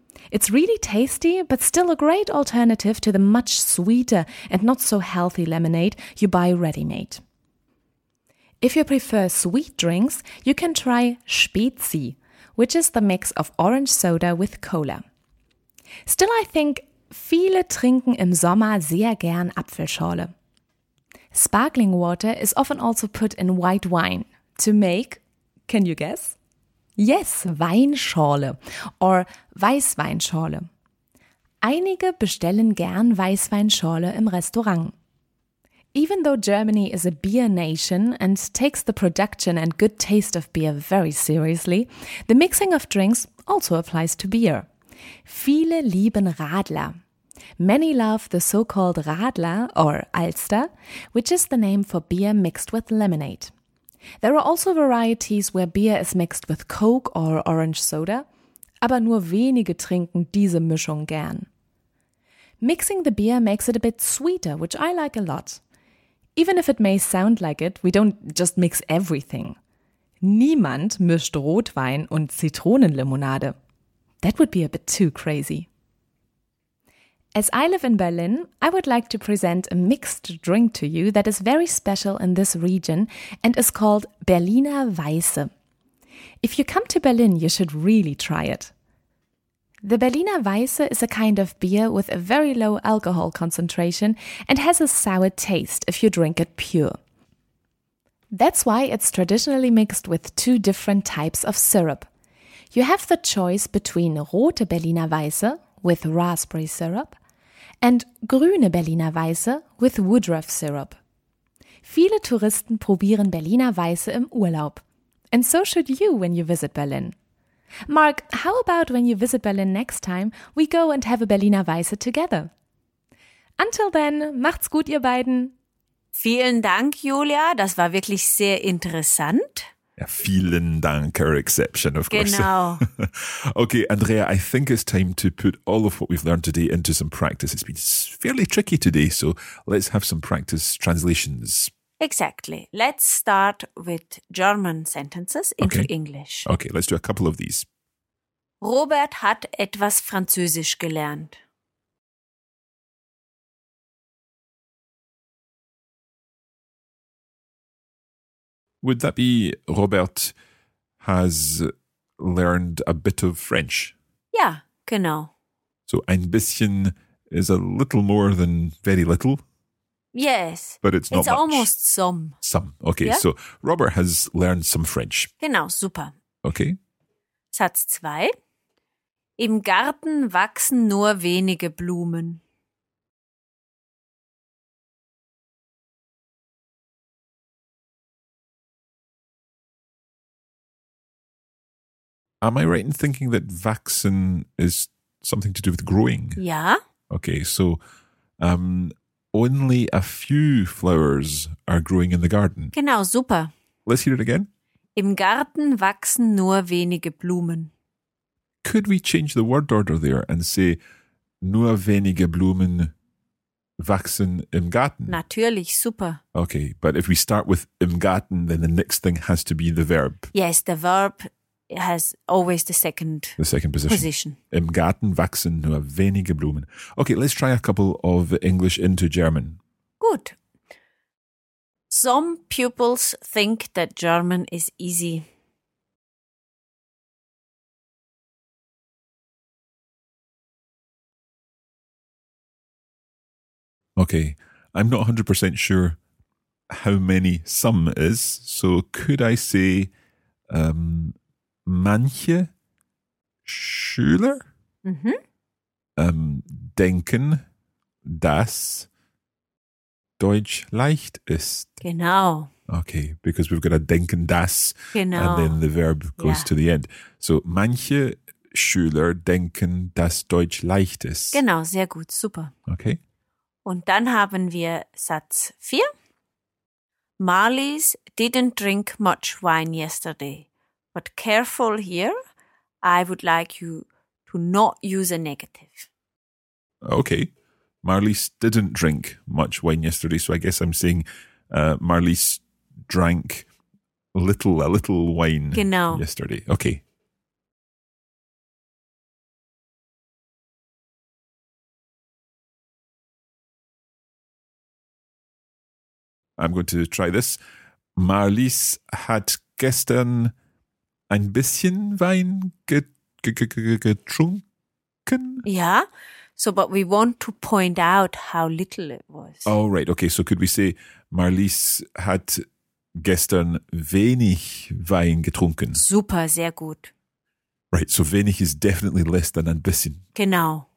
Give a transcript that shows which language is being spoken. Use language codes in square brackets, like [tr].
[en] It's really tasty, but still a great alternative to the much sweeter and not so healthy lemonade you buy ready-made. If you prefer sweet drinks, you can try Spezi, which is the mix of orange soda with cola. Still, I think [de] viele trinken im Sommer sehr gern Apfelschorle. [en] Sparkling water is often also put in white wine to make, can you guess? Yes, Weinschorle or Weißweinschorle. [de] Einige bestellen gern Weißweinschorle im Restaurant. [en] Even though Germany is a beer nation and takes the production and good taste of beer very seriously, the mixing of drinks also applies to beer. [de] Viele lieben Radler. [en] Many love the so-called Radler or Alster, which is the name for beer mixed with lemonade. There are also varieties where beer is mixed with Coke or orange soda, [de] aber nur wenige trinken diese Mischung gern. [en] Mixing the beer makes it a bit sweeter, which I like a lot. Even if it may sound like it, we don't just mix everything. [de] Niemand mischt Rotwein und Zitronenlimonade. [en] That would be a bit too crazy. As I live in Berlin, I would like to present a mixed drink to you that is very special in this region and is called Berliner Weiße. If you come to Berlin, you should really try it. The Berliner Weiße is a kind of beer with a very low alcohol concentration and has a sour taste if you drink it pure. That's why it's traditionally mixed with two different types of syrup. You have the choice between rote Berliner Weiße with raspberry syrup and grüne Berliner Weiße with woodruff syrup. [de] Viele Touristen probieren Berliner Weiße im Urlaub. [en] And so should you when you visit Berlin. Mark, how about when you visit Berlin next time, we go and have a Berliner Weiße together? Until then, [de] macht's gut, ihr beiden. Vielen Dank, Julia. Das war wirklich sehr interessant. Ja, vielen Dank, [en] our exception, of course. [de] Genau. [en] Okay, Andrea, I think it's time to put all of what we've learned today into some practice. It's been fairly tricky today, so let's have some practice translations. Exactly. Let's start with German sentences into English. Okay, let's do a couple of these. [de] Robert hat etwas Französisch gelernt. [en] Would that be Robert has learned a bit of French? [de] Ja, genau. [en] So ein bisschen is a little more than very little. Yes. But it's not much. It's almost some. Some. Okay, yeah? So Robert has learned some French. [de] Genau, super. [en] Okay. [de] Satz 2. Im Garten wachsen nur wenige Blumen. [en] Am I right in thinking that wachsen is something to do with growing? Yeah. Okay, so only a few flowers are growing in the garden. [de] Genau, super. [en] Let's hear it again. [de] Im Garten wachsen nur wenige Blumen. [en] Could we change the word order there and say [de] nur wenige Blumen wachsen im Garten? Natürlich, super. [en] Okay, but if we start with im Garten, then the next thing has to be the verb. Yes, the verb has always the second position. [de] Im Garten wachsen nur wenige Blumen. [en] Okay, let's try a couple of English into German. [de] Gut. [en] Some pupils think that German is easy. Okay, I'm not 100% sure how many some is, so could I say [de] manche Schüler denken, dass Deutsch leicht ist. Genau. [en] Okay, because we've got a denken, dass, [de] genau. [en] And then the verb goes to the end. [de] So manche Schüler denken, dass Deutsch leicht ist. Genau, sehr gut, super. [en] Okay. [de] Und dann haben wir Satz 4. [en] Marlies didn't drink much wine yesterday. But careful here, I would like you to not use a negative. Okay, Marlies didn't drink much wine yesterday, so I guess I'm saying Marlies drank a little wine genau. Yesterday. Okay. I'm going to try this. [de] Marlies hat gestern ein bisschen Wein getrunken. [en] Yeah. So, but we want to point out how little it was. Oh, right. Okay. So could we say [de] Marlies hat gestern wenig Wein getrunken? Super. Sehr gut. [en] Right. So wenig is definitely less than ein bisschen. [de] Genau.